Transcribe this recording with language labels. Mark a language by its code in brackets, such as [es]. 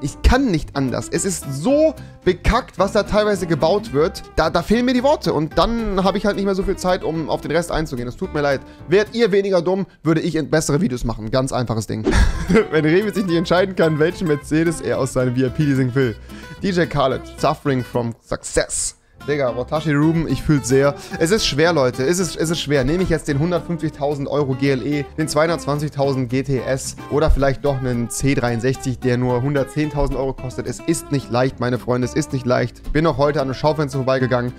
[de] Ich kann nicht anders. Es ist so bekackt, was da teilweise gebaut wird. Da fehlen mir die Worte. Und dann habe ich halt nicht mehr so viel Zeit, um auf den Rest einzugehen. Es tut mir leid. Wärt ihr weniger dumm, würde ich bessere Videos machen. Ganz einfaches Ding. Wenn Revi sich nicht entscheiden kann, welchen Mercedes er aus seinem VIP-Leasing will. [en] DJ Khaled, suffering from success. [de] Digga, Watashi Ruben, ich fühl's sehr. Es ist schwer, Leute. Es ist schwer. Nehme ich jetzt den 150.000 Euro GLE, den 220.000 GTS oder vielleicht doch einen C63, der nur 110.000 Euro kostet. Es ist nicht leicht, meine Freunde. Es ist nicht leicht. Bin noch heute an einem Schaufenster vorbeigegangen.